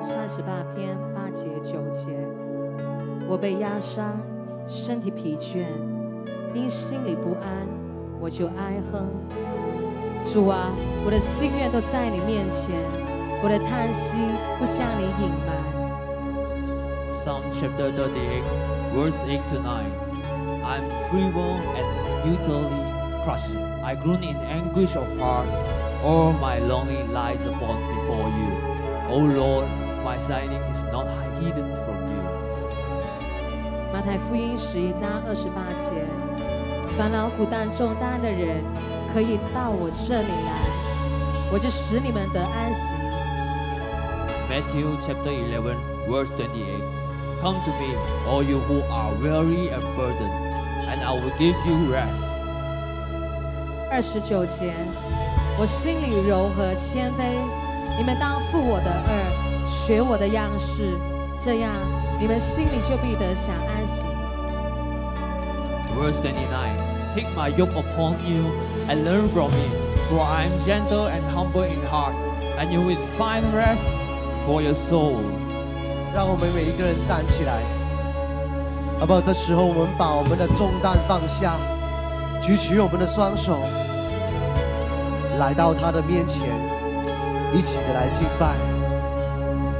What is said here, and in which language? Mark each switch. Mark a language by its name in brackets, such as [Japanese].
[Chinese] 38篇8节9节，我被压伤，身体疲倦，因心里不安，我就哀哼。主啊，我的心愿都在你面前，我的叹息不向你隐瞒。 [English] Psalm chapter 38, verse 8 to 9. I'm feeble and utterly crushed. I groan in anguish of heart. All my longing lies upon before you. O Lord, my sighing is not hidden from you. [Chinese] 马太福音11章28节，烦劳苦担重担的人可以到我这里来，我就使你们得安息。 [English] Matthew chapter 11, verse 28. Come to me, all you who are weary and burdened, and I will give you rest. [Chinese] 29节，我心里柔和谦卑，你们当负我的轭，学我的样式，这样你们心里就必得享安息。 [English] Verse 29, take my yoke upon you and learn from me, for I am gentle and humble in heart, and you will find rest for your soul. [Chinese] 让我们每一个人站起来，好不好？这时候我们把我们的重担放下，举起我们的双手，来到他的面前，一起的来敬拜。